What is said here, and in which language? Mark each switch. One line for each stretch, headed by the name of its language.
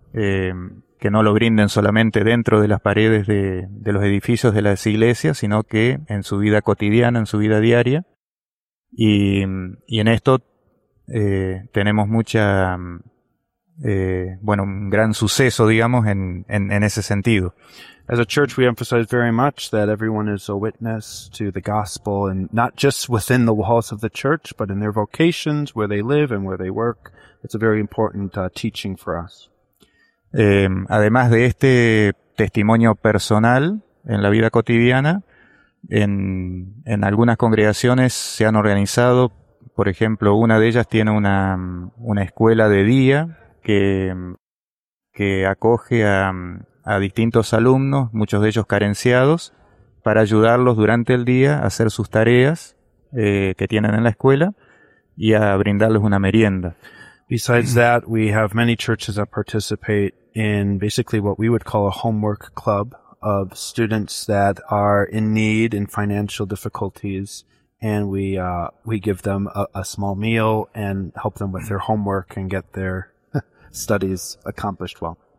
Spanish: Que no lo brinden solamente dentro de las paredes de los edificios de las iglesias, sino que en su vida cotidiana, en su vida diaria. Y en esto tenemos mucha, bueno, un gran suceso, digamos, en ese sentido.
English: As a church, we emphasize very much that everyone is a witness to the gospel, and not just within the walls of the church, but in their vocations, where they live and where they work. It's a very important teaching for us.
Spanish: Además de este testimonio personal en la vida cotidiana, en algunas congregaciones se han organizado, por ejemplo, una de ellas tiene una escuela de día que acoge a distintos alumnos, muchos de ellos carenciados, para ayudarlos durante el día a hacer sus tareas que tienen en la escuela y a brindarles una merienda.
English: Besides that, we have many churches that participate in basically what we would call a homework club of students that are in need and financial difficulties, and we give them a small meal and help them with their homework and get their studies accomplished well.